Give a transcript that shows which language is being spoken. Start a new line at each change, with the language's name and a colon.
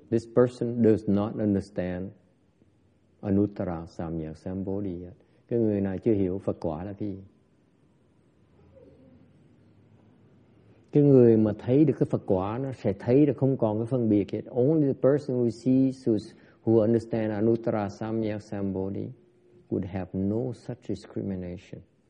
English: This person does not understand Anuttara Samyak Sambodhi.
Vietnamese: Cái người này chưa hiểu Phật quả là cái gì. Cái người mà thấy được cái Phật quả, nó sẽ thấy được không còn cái phân biệt hết.
English: Only the person who sees, who understands Anuttara Samyak Sambodhi would have no such discrimination.